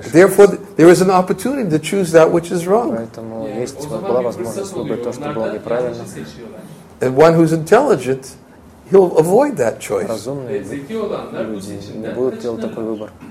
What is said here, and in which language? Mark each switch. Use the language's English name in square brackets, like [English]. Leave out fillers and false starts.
[English] Therefore, there is an opportunity to choose that which is wrong. [Russian] Поэтому есть была возможность выбрать то, что было неправильно. [English] And one who's intelligent, he'll avoid that choice. [Russian] Разумные люди не будут делать такой выбор.